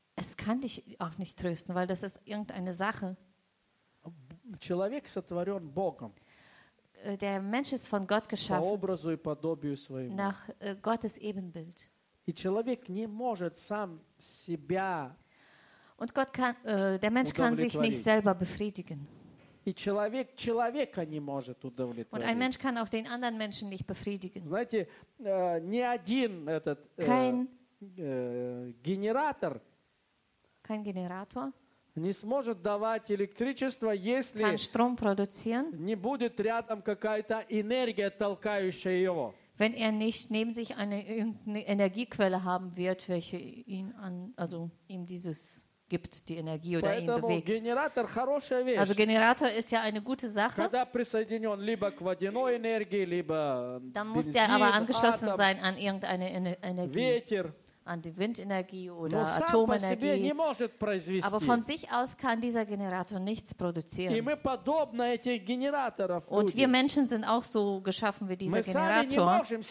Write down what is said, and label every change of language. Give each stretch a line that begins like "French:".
German: Es kann dich auch nicht trösten, weil das ist irgendeine Sache.
Russian: Человек сотворен Богом.
German: Der Mensch ist von Gott geschaffen.
Russian: По образу и подобию своему.
German: Nach Gottes Ebenbild.
Russian: И человек не может сам себя.
German: Und Gott kann, der Mensch kann sich nicht selber befriedigen.
Russian: И человек человека не может удовлетворить.
German: Und ein Mensch kann auch den anderen Menschen nicht befriedigen.
Russian: Знаете, ни один этот генератор.
German: Kein Generator
Russian: не сможет давать электричество, если
German: kann Strom produzieren,
Russian: не будет рядом какая-то энергия, толкающая его.
German: Wenn er nicht neben sich eine Energiequelle haben wird, welche ihm dieses gibt, die Energie oder
Russian: поэтому
German: ihn bewegt.
Russian: Generator хорошая вещь.
German: Also Generator ist ja eine gute Sache.
Russian: Когда присоединен либо к водяной энергии, либо
German: dann muss der aber angeschlossen sein an irgendeine Energie.
Russian: Ветер.
German: An die Windenergie oder Atomenergie. Aber von sich aus kann dieser Generator nichts produzieren. Und wir Menschen sind auch so geschaffen wie dieser Generator.